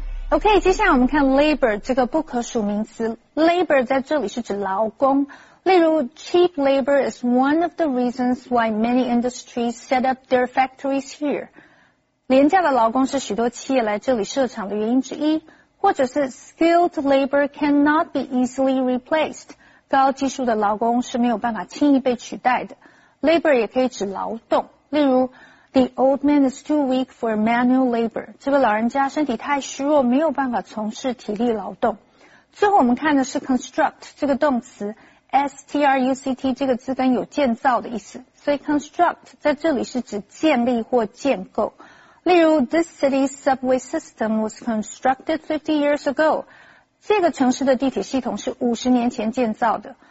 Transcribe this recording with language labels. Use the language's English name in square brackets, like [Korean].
[Chinese] OK, 接下来我们看 labor 这个不可数名词。Labor 在这里是指劳工。例如 [English] cheap labor is one of the reasons why many industries set up their factories here. [Chinese] 廉价的劳工是许多企业来这里设厂的原因之一。或者是 [English] skilled labor cannot be easily replaced. [Chinese] 高技术的劳工是没有办法轻易被取代的。 [English] Labor [Chinese] 也可以指劳动。例如 [English] the old man is too weak for manual labor. [Chinese] 这个老人家身体太虚弱，没有办法从事体力劳动。最后我们看的是 construct 这个动词。S-T-R-U-C-T 这个字根有建造的意思，所以 construct 在这里是指建立或建构。例如 [English] This city's subway system was constructed 50 years ago. [Chinese] 这个城市的地铁系统是50年前建造的。